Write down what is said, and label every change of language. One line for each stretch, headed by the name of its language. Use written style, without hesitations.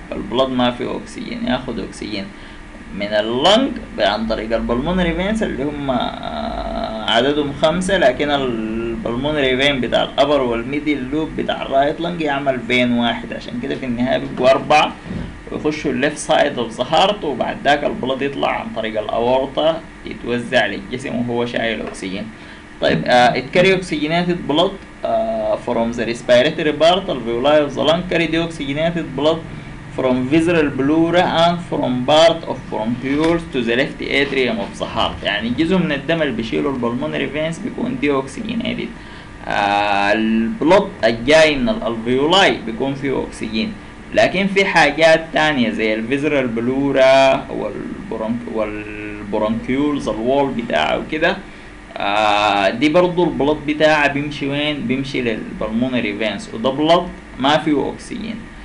Arabic: البلط ما فيه اكسجين، ياخد اكسجين من اللنج عن طريق البالمونري فينس اللي هم عددهم خمسة، لكن البلمونري فين بتاع الابر والميدل لوب بتاع الرايت لانج يعمل فين واحد، عشان كده في النهاية بيبقوا أربعة، ويخشوا
English: الليفت side of the heart,
Arabic: وبعد ذاك البلد يطلع عن طريق الأورطة يتوزع للجسم وهو شايل أكسجين. طيب
English: it carry oxygenated blood from the respiratory part of the alveoli of the lung, carry deoxygenated blood from visceral pleura and from part of bronchioles to the left atrium of the heart.
Arabic: يعني جزء من الدم اللي بيشيله البلمونري فينس بيكون ديوكسجينيتد. البلط الجاي من الالفيولاي بيكون فيه اكسجين، لكن في حاجات تانية زي الفيزرال بلورا والبرونكيولز الوول بتاعه وكده، دي برضو البلط بتاعه بيمشي وين؟ بيمشي للبلمونري فينس، وده بلط ما فيه اكسجين.